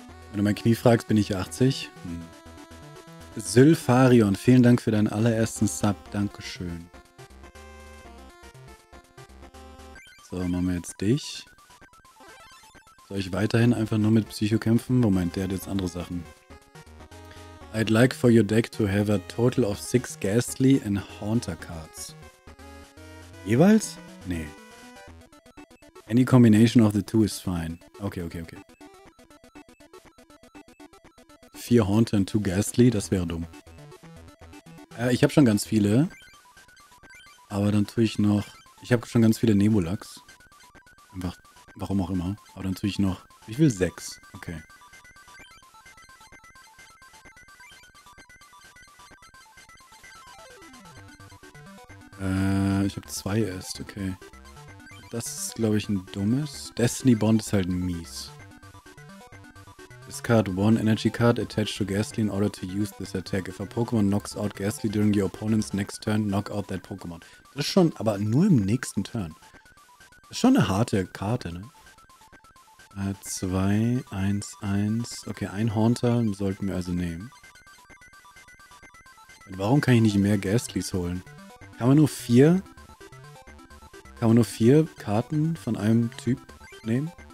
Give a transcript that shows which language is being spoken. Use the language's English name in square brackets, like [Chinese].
[German] Wenn du mein Knie fragst, bin ich 80. Sylpharion, vielen Dank für deinen allerersten Sub. Dankeschön. So, machen wir jetzt dich. Soll ich weiterhin einfach nur mit Psycho kämpfen? Moment, der hat jetzt andere Sachen. [English] I'd like for your deck to have a total of 6 Ghastly and Haunter cards. [German] Jeweils? Nee. [English] Any combination of the two is fine. Okay. 4 Haunter and 2 Ghastly, [German] das wäre dumm. Ich habe schon ganz viele. Aber dann tue ich noch... Ich habe schon ganz viele Nebulax. Einfach, warum auch immer. Aber dann tue ich noch... Ich will 6. Okay. Ich habe 2 erst, okay. Das ist, glaube ich, ein dummes. Destiny Bond ist halt mies. [English] Discard one energy card attached to Ghastly in order to use this attack. If a Pokémon knocks out Ghastly during your opponent's next turn, knock out that Pokémon. [German] Das ist schon, aber nur im nächsten Turn. Das ist schon eine harte Karte, ne? 2, 1, 1. Okay, ein Haunter sollten wir also nehmen. Und warum kann ich nicht mehr Ghastlys holen? Kann man nur vier Karten von einem Typ nehmen?